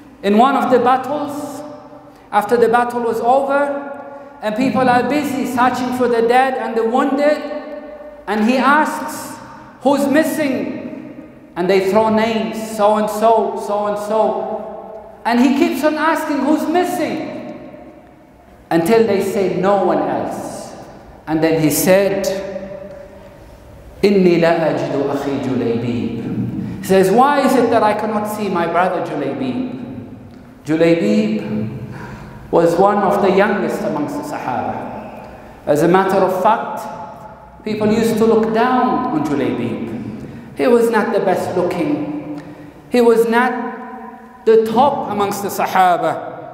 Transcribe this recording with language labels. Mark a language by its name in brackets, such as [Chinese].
[English] In one of the battles, after the battle was over, and people are busy searching for the dead and the wounded, and he asks, who's missing? And they throw names, so and so, so and so. And he keeps on asking, who's missing? Until they say, no one else. And then he said, [Arabic] إِنِّي لَا أَجِدُ أَخِي جُلَيْبِيب. [English] He says, why is it that I cannot see my brother Julaybib? Julaybib was one of the youngest amongst the Sahaba. As a matter of fact, people used to look down on Julaybib. He was not the best looking. He was not the top amongst the Sahaba.